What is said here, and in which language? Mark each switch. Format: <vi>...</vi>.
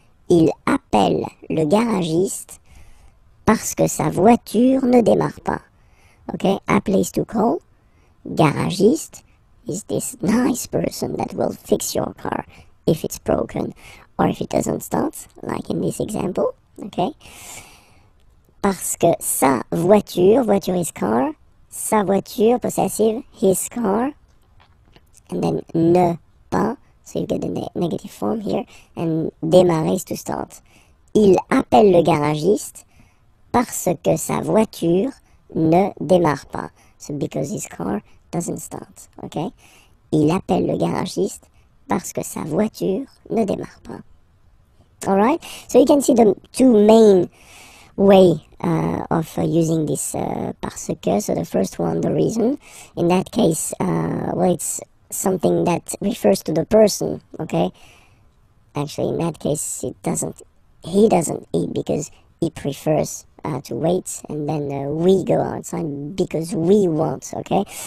<fr>Il appelle le garagiste parce que sa voiture ne démarre pas.</fr> <en>Okay? A place to call. Garagiste is this nice person that will fix your car if it's broken or if it doesn't start, like in this example. Okay?</en> <fr>Parce que sa voiture,</fr> <en>voiture is car, sa voiture, possessive, his car, and then ne pas, so you get the negative form here, and démarrer is to start.</en> <fr>Il appelle le garagiste parce que sa voiture ne démarre pas.</fr> <en>So because his car doesn't start,</en> <fr>okay? Il appelle le garagiste parce que sa voiture ne démarre pas.</fr> <en>Alright? So you can see the two main way of using this parce que, so the first one, the reason, in that case, well, it's something that refers to the person, okay? Actually, in that case, it doesn't, he doesn't eat because he prefers to wait, and then we go outside because we want, okay?</en>